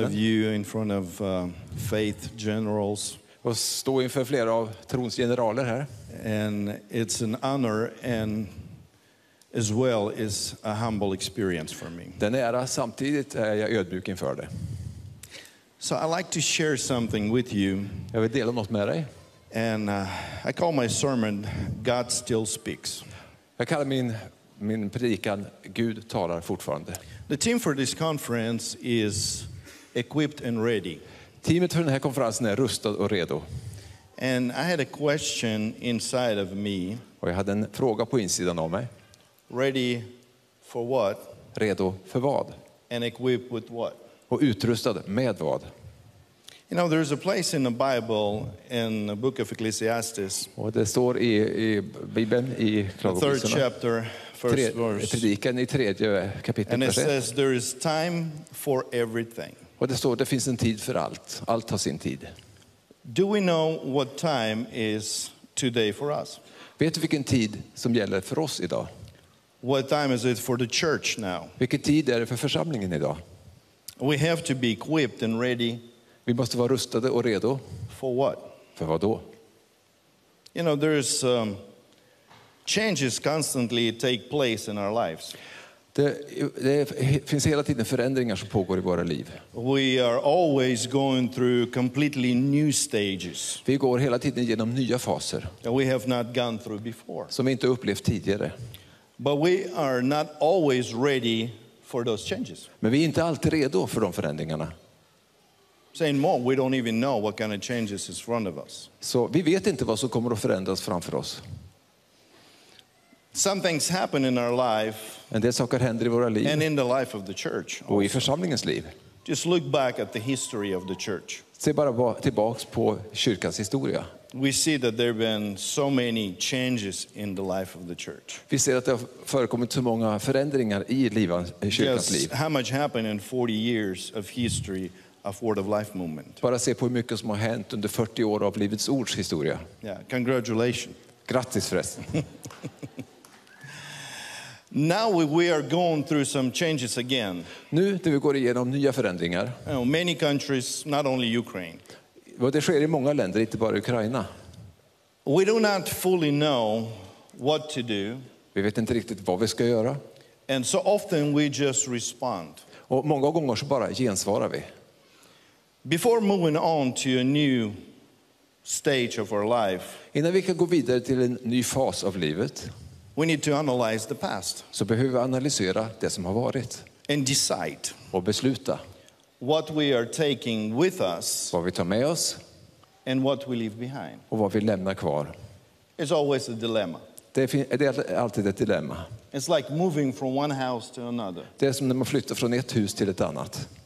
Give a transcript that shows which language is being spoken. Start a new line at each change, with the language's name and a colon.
English: In front of you, in front of faith generals.
Swedish: Och stå inför flera av trons generaler här.
English: And it's an honor and as well is a humble experience for me.
Swedish: Den är samtidigt jag ödmjuk inför det.
English: So I like to share something with you.
Swedish: Jag vill dela något med dig.
English: And I call my sermon God still speaks.
Swedish: Jag kallar min predikan Gud talar fortfarande.
English: The team for this conference is equipped and ready.
Swedish: Teamet för den här konferensen är rustad och redo.
English: And I had a question inside of me.
Swedish: Och jag hade en fråga på insidan av mig.
English: Ready for what?
Swedish: Redo för vad?
English: And equipped with what?
Swedish: Och utrustad med vad?
English: You know, there's a place in the Bible in the book of Ecclesiastes.
Swedish: Och det står i Bibeln i Klagovisorna.
English: Third chapter, first verse.
Swedish: Predikan i tredje kapitlet.
English: And it says there is time for everything.
Swedish: Och det står att det finns en tid för allt. Allt har sin tid.
English: Do we know what time is today for us?
Swedish: Vet du vilken tid som gäller för oss idag?
English: What time is it for the church now?
Swedish: Vilken tid är det för församlingen idag?
English: We have to be equipped and ready.
Swedish: Vi måste vara rustade och redo.
English: For what?
Swedish: För vad då?
English: You know, there's changes constantly take place in our lives.
Swedish: Det finns hela tiden förändringar som pågår i våra liv.
English: We are always going through completely new stages.
Swedish: Vi går hela tiden genom nya faser.
English: That we have not gone through before.
Swedish: Som vi inte upplevt tidigare.
English: But we are not always ready for those changes.
Swedish: Men vi är inte alltid redo för de förändringarna.
English: Saying more, we don't even know what kind of changes is in front of us.
Swedish: Så vi vet inte vad som kommer att förändras framför oss.
English: Some things happen in our life.
Swedish: En del saker händer i våra liv.
English: And in the life of the church.
Swedish: Och i församlingens liv.
English: Just look back at the history of the church.
Swedish: Se bara tillbaks på kyrkans historia.
English: We see that there have been so many changes in the life of the church.
Swedish: Vi ser att det har förekommit så många förändringar i kyrkans liv.
English: Just how much happened in 40 years of history of Word of Life movement.
Swedish: Bara se på hur mycket som har hänt under 40 år av Livets Ords historia.
English: Yeah, congratulations.
Swedish: Grattis förresten.
English: Now we are going through some changes again.
Swedish: Nu det vi går igenom nya förändringar.
English: Many countries, not only Ukraine.
Swedish: Vad det sker i många länder, inte bara Ukraina.
English: We do not fully know what to do.
Swedish: Vi vet inte riktigt vad vi ska göra.
English: And so often we just respond.
Swedish: Och många gånger så bara gensvarar vi.
English: Before moving on to a new stage of our life.
Swedish: Innan vi kan gå vidare till en ny fas av livet.
English: We need to analyze the past.
Swedish: Så behöver vi analysera det som har varit.
English: And decide.
Swedish: Och besluta.
English: What we are taking with us.
Swedish: Vad vi tar med oss.
English: And what we leave behind.
Swedish: Och vad vi lämnar kvar.
English: It's always a dilemma.
Swedish: Det är alltid ett dilemma.
English: It's like moving from one house to another.
Swedish: Det är som när man flyttar från ett hus till ett annat.